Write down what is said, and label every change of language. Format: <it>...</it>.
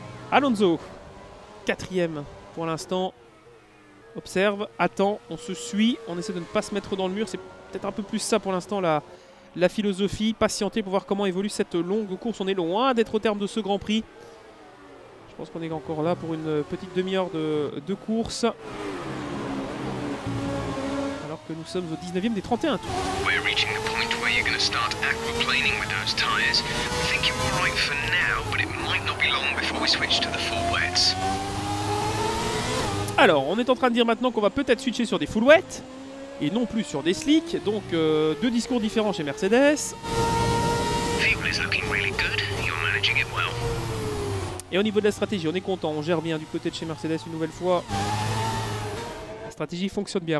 <fr>Alonso, quatrième pour l'instant. Observe, attend, on se suit, on essaie de ne pas se mettre dans le mur. C'est peut-être un peu plus ça pour l'instant la philosophie. Patienter pour voir comment évolue cette longue course. On est loin d'être au terme de ce Grand Prix. Je pense qu'on est encore là pour une petite demi-heure de course. Alors que nous sommes au 19e des 31 tours.</fr> <en>We're reaching a point where you're going to start aquaplaning with those tires. I think you're all right for now, but it might not be long before we switch to the full wets.</en> <fr>Alors, on est en train de dire maintenant qu'on va peut-être switcher sur des full wets et non plus sur des slicks. Donc, deux discours différents chez Mercedes.</fr> <en>Fuel is looking really good. You're managing it well.</en> <fr>Et au niveau de la stratégie, on est content, on gère bien du côté de chez Mercedes une nouvelle fois. La stratégie fonctionne bien.</fr>